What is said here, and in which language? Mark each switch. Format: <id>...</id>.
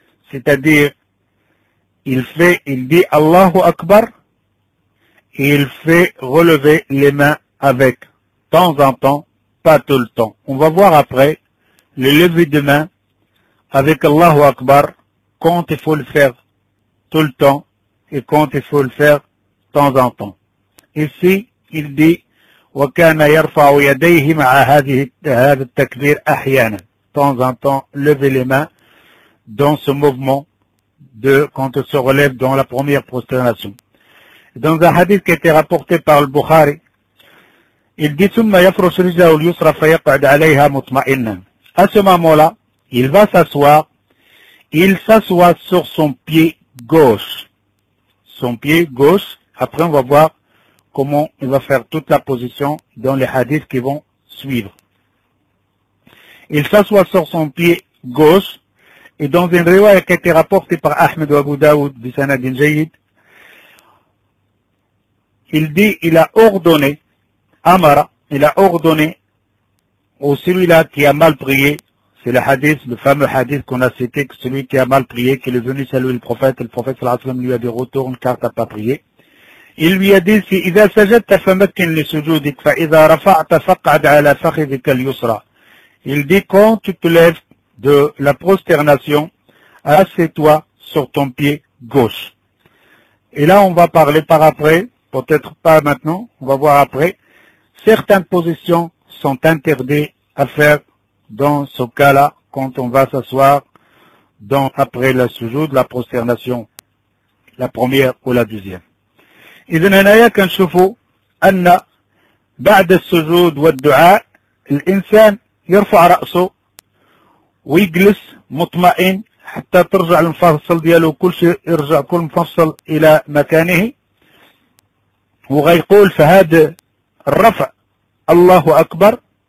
<fr>C'est-à-dire, il dit Allahu Akbar et il fait relever les mains avec, temps en temps, pas tout le temps. On va voir après le lever de main avec Allahu Akbar, quand il faut le faire tout le temps et quand il faut le faire temps en temps. Ici, il dit</fr> <ar>وَكَانَ يَرْفَعُ يَدَيْهِ مَعَ هَذِهِ التَّكْبِيرِ أَحْيَانًا.</ar> <fr>Temps en temps, lever les mains dans ce mouvement de quand on se relève dans la première prosternation. Dans un hadith qui a été rapporté par le Bukhari, il dit</fr> <ar>ثُمَّ يَفْرُشُ رِجْلَهُ الْيُسْرَى فَيَقْعُدْ عَلَيْهَا مُطْمَئِنًا.</ar> <fr>À ce moment-là, il va s'asseoir, il s'assoit sur son pied gauche. Son pied gauche, après on va voir comment il va faire toute la position dans les hadiths qui vont suivre. Il s'assoit sur son pied gauche et dans une riwaya qui a été rapportée par Ahmed Abu Daoud</fr> <ar>bi sanadin jayyid,</ar> <fr>il dit il a ordonné Amara, il a ordonné au celui-là qui a mal prié, c'est le hadith, le fameux hadith qu'on a cité, que celui qui a mal prié, qui est venu saluer le prophète, et le prophète sallallahu alayhi wa sallam lui a dit retourne car tu n'as pas prié. Il lui a dit, si</fr> <ar>إذا سجدت فمكن لسجودك فإذا رفعت فقعد على فخذك اليسرى.</ar> <fr>Il dit, quand tu te lèves de la prosternation, assieds-toi sur ton pied gauche. Et là, on va parler par après, peut-être pas maintenant, on va voir après. Certaines positions sont interdites à faire dans ce cas-là, quand on va s'asseoir après la sujoud, la prosternation, la première ou la deuxième.</fr> <ar>إذن هنايا كنشوفوا أن بعد السجود والدعاء الإنسان يرفع رأسه ويجلس مطمئن حتى ترجع المفاصل دياله وكل شيء يرجع كل مفصل إلى مكانه وغيقول في هذا الرفع الله أكبر</ar>